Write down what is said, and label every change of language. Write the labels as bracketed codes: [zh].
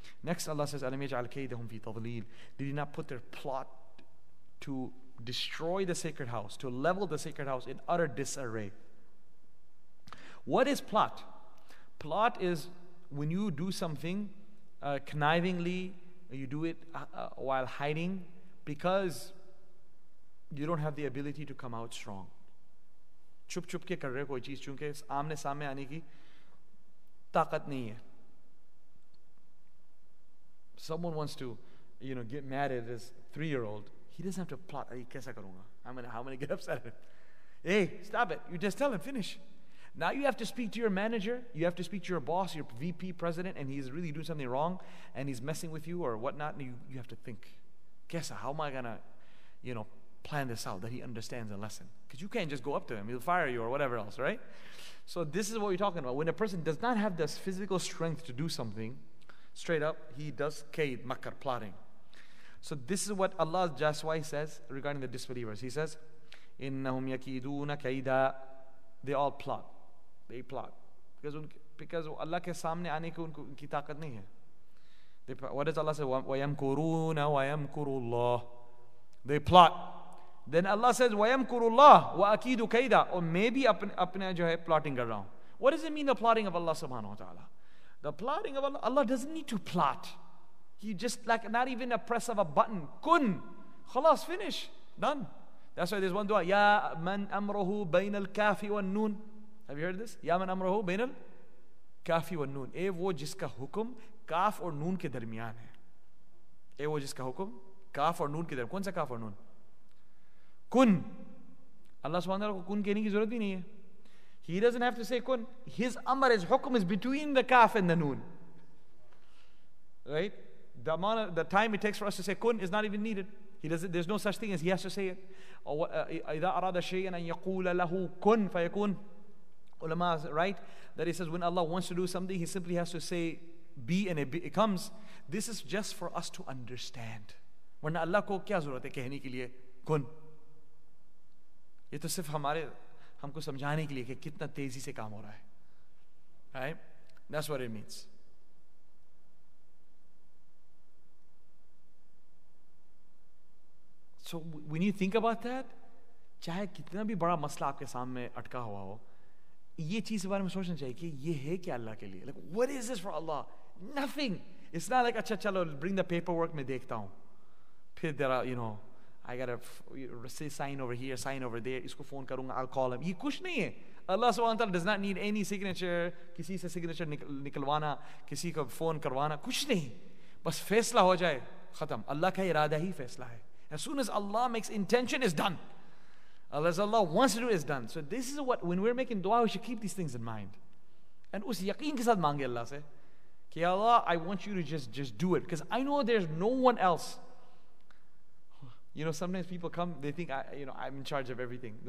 [en] Next, Allah says, [ar] Alam yaj'al kaydahum fi tadlil. [en] Did He not put their plot to destroy the sacred house, to level the sacred house in utter disarray? What is plot? Plot is when you do something connivingly, you do it while hiding because you don't have the ability to come out strong. [ur] چپ چپ کے کر رہے کوئی چیز کیونکہ آمنے سامنے آنے کی طاقت نہیں ہے۔ [en] Someone wants to, you know, get mad at his 3-year-old. He doesn't have to plot. [ur] ہے، کیسا کروں گا؟ [en] I'm gonna get upset at him. Hey, stop it. You just tell him, finish. Now you have to speak to your manager, you have to speak to your boss, your VP, president, and he's really doing something wrong, and he's messing with you or whatnot, and you have to think, Kesa, how am I going to, you know, plan this out, that he understands a lesson? Because you can't just go up to him, he'll fire you or whatever else, right? So this is what we're talking about. When a person does not have this physical strength to do something, straight up, he does kaid, makar, plotting. So this is what Allah Jaswai says regarding the disbelievers. He says, [ar] إِنَّهُمْ يَكِيدُونَ كَيْدًا. [en] They all plot. They plot. [ur] Because اللہ کے سامنے آنے کے ان کی طاقت نہیں ہے۔ [en] What does Allah say? [ar] وَيَمْكُرُونَ وَيَمْكُرُ اللَّهِ. [en] They plot. Then Allah says, [ar] وَيَمْكُرُ اللَّهِ وَأَكِيدُ كَيْدَ. [en] Or maybe [ur] apne jo hai [en] plotting around. What does it mean, the plotting of Allah subhanahu wa ta'ala? The plotting of Allah, Allah doesn't need to plot. He just, like, not even a press of a button. Kun. Khalas, finish. Done. That's why there's one dua. [ar] Ya man amrahu bayna al-kafi wa al-noon. [en] Have you heard this? [ar] Ya man amrahu bayna al-kafi wa al-noon. [ur] اے وہ جس کا حکم کاف اور نون کے درمیان ہے۔ اے وہ جس کا حکم کاف اور نون کے درمیان۔ کون سا کاف اور نون؟ [ar] Kun. [ur] اللہ سبحانہ و تعالیٰ کو کن کہنے کی ضرورت بھی نہیں ہے۔ [en] He doesn't have to say kun. His amr, his hukum is between the kaf and the noon. Right? The amount of, the time it takes for us to say kun is not even needed. He doesn't, there's no such thing as he has to say it. [ar] إِذَا أَرَادَ شَيْئًا أَن يَقُولَ لَهُ كُنْ فَيَكُنْ. [en] Ulama is right that he says when Allah wants to do something, He simply has to say be and it comes. This is just for us to understand. [ur] When اللہ کو کیا ضرورت ہے کہنے کے لیے کن؟ یہ تو صرف ہمارے ہم کو سمجھانے کے لیے کہ کتنا تیزی سے کام ہو رہا ہے۔ [en] Right? That's what it means. So when you think about that, [ur] چاہے کتنا بھی بڑا مسئلہ آپ کے سامنے اٹکا ہوا ہو، یہ چیز کے بارے میں سوچنا چاہیے کہ یہ ہے کیا اللہ کے لیے۔ [en] Like, what is this for Allah? Nothing. It's not like, [ur] اچھا چلو، [en] bring the paperwork, [ur] میں دیکھتا ہوں۔ [en] kid that I, you know, I gotta say sign over here, sign over there. [ur] Isko phone karunga, [en] I'll call him. [ur] یہ کچھ نہیں ہے۔ [en] Allah subhanahu wa ta'ala does not need any signature. [ur] کسی سے signature نکلوانا، کسی کا فون کروانا، کچھ نہیں۔ بس فیصلہ ہو جائے، ختم۔ اللہ کا ارادہ ہی فیصلہ ہے۔ [en] As soon as Allah makes intention, it's done. As Allah wants to do, it's done. So this is what, when we're making dua, we should keep these things in mind. [ur] And us yaqeen ke saath mange Allah se. Ki Allah, [en] I want you to just do it. Because I know there's no one else. You know, sometimes people come, they think, I'm in charge of everything.